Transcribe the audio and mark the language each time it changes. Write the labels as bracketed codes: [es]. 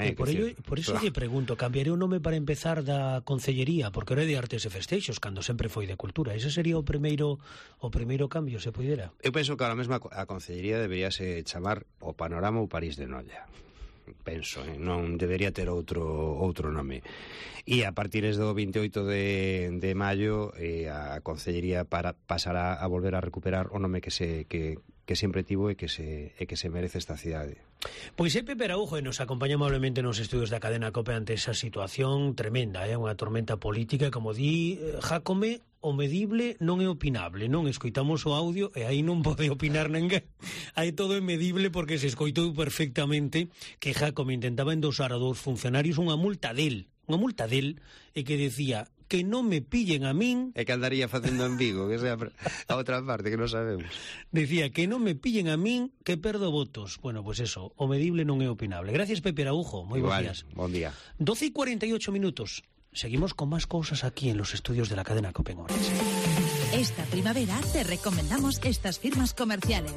[gl] e por ello, por eso te pregunto, ¿cambiaré un nome para empezar da concellería? Porque era de Artes e Festeixos, cando sempre foi de cultura. Ese sería o primeiro cambio, se pudiera. Eu penso que ahora mesmo a concellería deberíase chamar o Panorama ou París de Nolla. Penso, non debería ter outro nome. E a partir do 28 de maio, a concellería pasará a volver a recuperar o nome que sempre tivo e que se merece esta cidade. Pois é, Pepe Araujo, e nos acompaña amablemente nos estudios da cadena COPE ante esa situación tremenda, unha tormenta política, como di Jácome, o medible non é opinable, non escoitamos o audio e aí non pode opinar ninguén. Aí todo é medible porque se escoitou perfectamente que Jácome intentaba endosar a 2 funcionarios unha multa del, e que decía que non me pillen a min... E que andaría facendo en Vigo, que sea a outra parte, que non sabemos. Decía que non me pillen a min, que perdo votos. Bueno, pues eso, o medible non é opinable. Gracias, Pepe Araujo. Moi bons días. Bon día. [es] 12:48 minutos. Seguimos con más cosas aquí en los estudios de la cadena Copenhague. Esta primavera te recomendamos estas firmas comerciales.